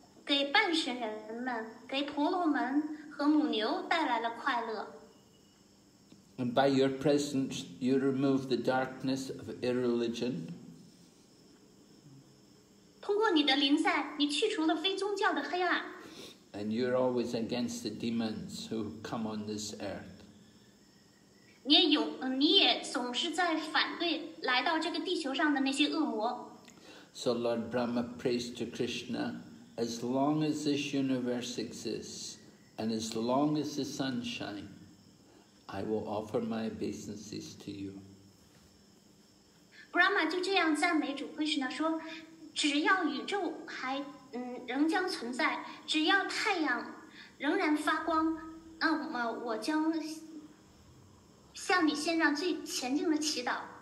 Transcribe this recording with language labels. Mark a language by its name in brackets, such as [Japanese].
[Chinese] 给半神人们，给婆罗门和母牛带来了快乐。 [English] And by your presence, you remove the darkness of irreligion. [Chinese] 通过你的临在，你去除了非宗教的黑暗。 [English] And you're always against the demons who come on this earth. [Chinese] 你也总是在反对来到这个地球上的那些恶魔。 [English] So Lord Brahma prays to Krishna, as long as this universe exists, and as long as the sun shines,I will offer my obeisances to you. [Chinese] Brahma 就这样赞美主 Krishna 说，只要宇宙还仍将存在，只要太阳仍然发光，那么我将向你献上最虔敬的祈祷。